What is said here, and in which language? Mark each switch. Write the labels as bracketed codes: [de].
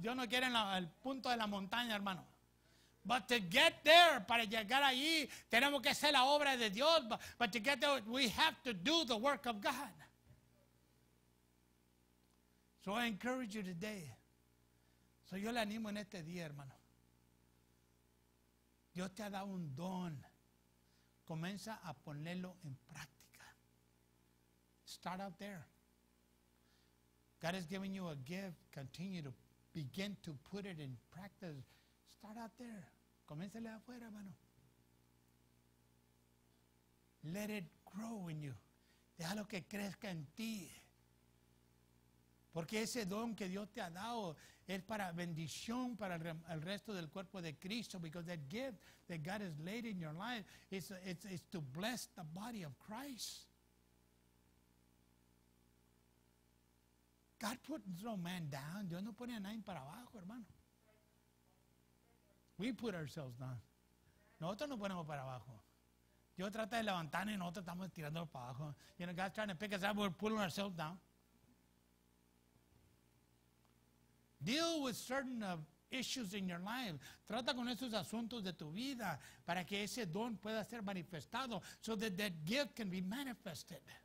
[es] Dios no quiere en el punto de la montaña, hermano. [en] But to get there, [es] para llegar allí, tenemos que hacer la obra de Dios. [en] But to get there, we have to do the work of God. So I encourage you today. [es] So yo le animo en este día, hermano. Dios te ha dado un don. Comienza a ponerlo en práctica. [en] Start out there. God has given you a gift. Continue to begin to put it in practice. Start out there. [es] Comiénzale afuera, hermano. [en] Let it grow in you. [es] Déjalo que crezca en ti. Porque ese don que Dios te ha dado es para bendición para el resto del cuerpo de Cristo. [en] Because that gift that God has laid in your life is to bless the body of Christ. God put no man down. [es] Dios no pone a nadie para abajo, hermano. [en] We put ourselves down. [es] Nosotros no ponemos para abajo. Dios trata de levantarnos y nosotros estamos tirando para abajo. [en] You know, God's trying to pick us up. We're pulling ourselves down. Deal with certain issues in your life. [es] Trata con esos asuntos de tu vida para que ese don pueda ser manifestado [en] so that that gift can be manifested.